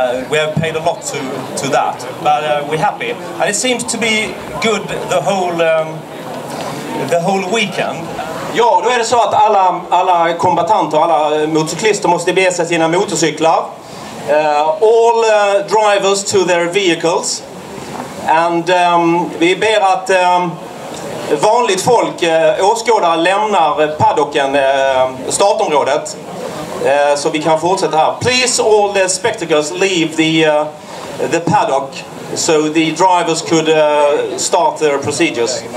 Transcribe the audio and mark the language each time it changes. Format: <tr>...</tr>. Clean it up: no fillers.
<en>We have paid a lot to that, but we're happy, and it seems to be good the whole weekend.</en> <sv>Ja, då är det så att alla kombatanter, alla motorcyklister måste bege sig sina motorcyklar.</sv> <en>All drivers to their vehicles, and</en> <sv>vi ber att vanligt folk, åskådare, lämnar paddocken, startområdet.</sv> <en>So we can continue here. Please, all the spectators, leave the paddock, so the drivers could start their procedures.</en>